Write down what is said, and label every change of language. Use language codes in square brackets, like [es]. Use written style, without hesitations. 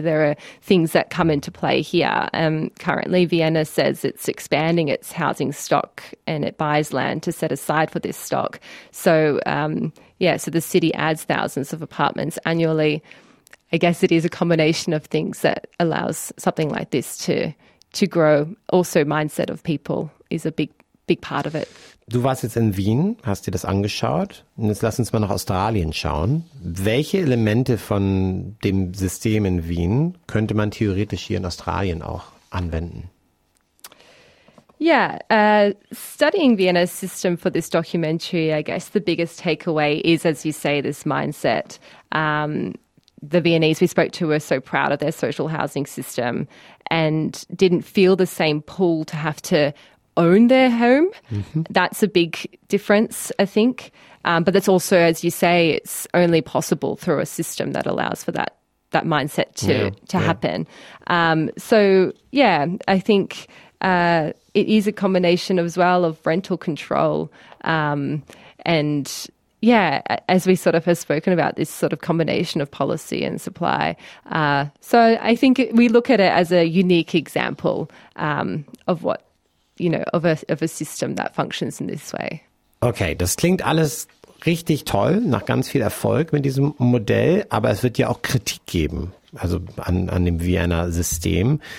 [en] There are things that come into play here. Currently, Vienna says it's expanding its housing stock and it buys land to set aside for this stock. So, so the city adds thousands of apartments annually. I guess it is a combination of things that allows something like this to grow. Also, mindset of people is a big part of it. [de] Du warst jetzt in Wien, hast dir das angeschaut. Und jetzt lass uns mal nach Australien schauen. Welche Elemente von dem System in Wien könnte man theoretisch hier in Australien auch anwenden? [en] Yeah, studying Vienna's system for this documentary, I guess the biggest takeaway is, as you say, this mindset. The Viennese we spoke to were so proud of their social housing system and didn't feel the same pull to have to own their home. Mm-hmm. That's a big difference, I think. But that's also, as you say, it's only possible through a system that allows for that mindset to happen. I think it is a combination as well of rental control and as we sort of have spoken about this sort of combination of policy and supply. So I think we look at it as a unique example of what, of a system that functions in this way. [de] Okay, das klingt alles richtig toll, nach ganz viel Erfolg mit diesem Modell, aber es wird ja auch Kritik geben, also an dem Vienna System.